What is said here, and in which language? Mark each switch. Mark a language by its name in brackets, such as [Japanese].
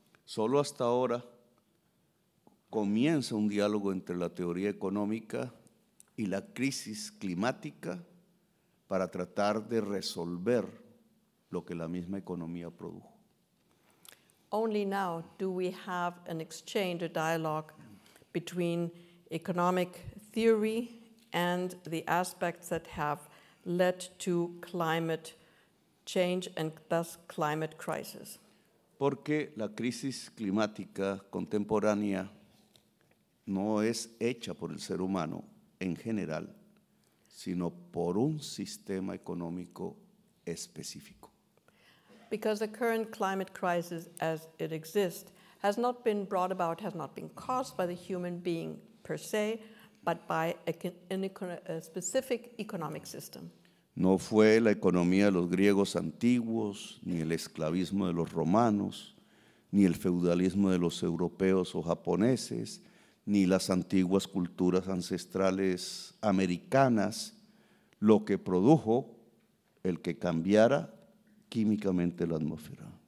[Spanish] Solo hasta ahora comienza un diálogo entre la teoría económica y la crisis climática para tratar de resolver lo que la misma economía produjo. [English] Only now do we have an exchange, a dialogue between economic theory and the aspects that have led to climate change and thus climate crisis. [Spanish] Porque la crisis climática contemporánea no es hecha por el ser humano en general, sino por un sistema económico específico. [English] Because the current climate crisis as it exists has not been brought about, has not been caused by the human being per se, but by a specific economic system. [Spanish] No fue la economía de los griegos antiguos, ni el esclavismo de los romanos, ni el feudalismo de los europeos o japoneses, ni las antiguas culturas ancestrales americanas, lo que produjo el que cambiara químicamente la atmósfera.